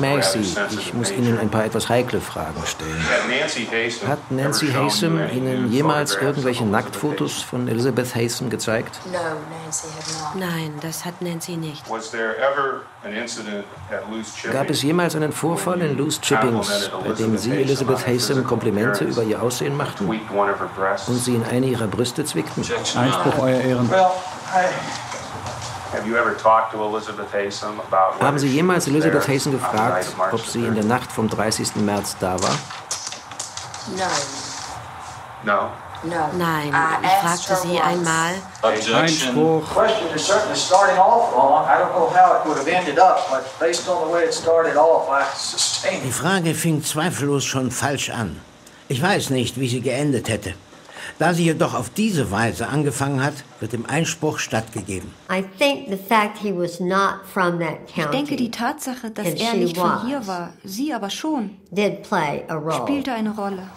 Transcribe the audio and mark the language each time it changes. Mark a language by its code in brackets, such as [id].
[de] Massey, ich muss Ihnen ein paar etwas heikle Fragen stellen. Hat Nancy Haysom Ihnen jemals irgendwelche Nacktfotos von Elizabeth Haysom gezeigt? [en] No, Nancy had not. [de] Nein, das hat Nancy nicht. [en] Was there ever an incident at Loose Chippings? [de] Gab es jemals einen Vorfall in Loose Chippings, bei dem Sie Elizabeth Haysom Komplimente über Ihr Aussehen machten und Sie in eine Ihrer Brüste zwickten? Einspruch, Euer Ehren. [en] Have you ever talked to Elizabeth Haysom about? [de] Haben Sie jemals Elizabeth Haysom gefragt, ob sie in der Nacht vom 30. März da war? Nein. [en] No. No. [de] Nein. Ich fragte sie einmal. Einspruch. [en] Question is certainly starting off wrong. I don't know how it would have ended up, but based on the way it started off, I sustain. [de] Die Frage fing zweifellos schon falsch an. Ich weiß nicht, wie sie geendet hätte. Da sie jedoch auf diese Weise angefangen hat, wird dem Einspruch stattgegeben. Ich denke, die Tatsache, dass er nicht von hier war, sie aber schon, spielte eine Rolle.